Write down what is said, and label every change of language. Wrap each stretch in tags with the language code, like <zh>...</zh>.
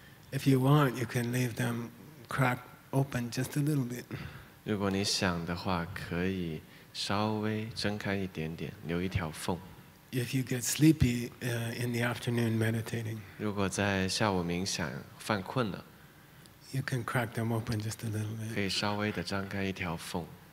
<en>If you want, you can leave them cracked open just a little bit.</en> <zh>如果你想的话，可以稍微睁开一点点，留一条缝。</zh> <en>If you get sleepy in the afternoon meditating,</en> <zh>如果在下午冥想犯困了，</zh> <en>you can crack them open just a little bit.</en> <zh>可以稍微的张开一条缝。</zh>